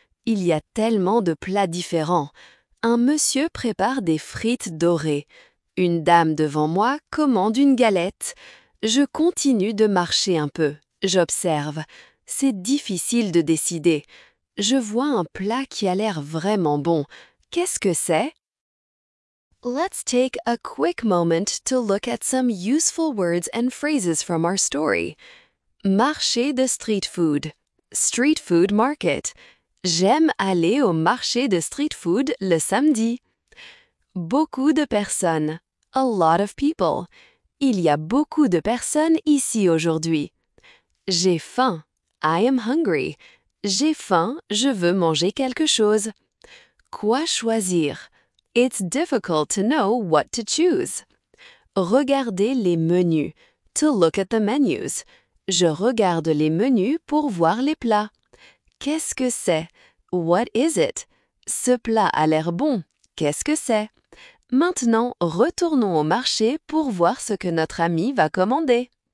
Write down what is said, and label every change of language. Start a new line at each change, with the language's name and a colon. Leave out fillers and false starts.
French: Il y a tellement de plats différents. Un monsieur prépare des frites dorées. Une dame devant moi commande une galette. Je continue de marcher un peu. J'observe. C'est difficile de décider. Je vois un plat qui a l'air vraiment bon. Qu'est-ce que c'est?
English: Let's take a quick moment to look at some useful words and phrases from our story.
French: Marché de street food.
English: Street food market.
French: J'aime aller au marché de street food le samedi. Beaucoup de personnes.
English: A lot of people.
French: Il y a beaucoup de personnes ici aujourd'hui. J'ai faim.
English: I am hungry.
French: J'ai faim, je veux manger quelque chose. Quoi choisir?
English: It's difficult to know what to choose.
French: Regardez les menus.
English: To look at the menus.
French: Je regarde les menus pour voir les plats. Qu'est-ce que c'est?
English: What is it?
French: Ce plat a l'air bon. Qu'est-ce que c'est? Maintenant, retournons au marché pour voir ce que notre ami va commander.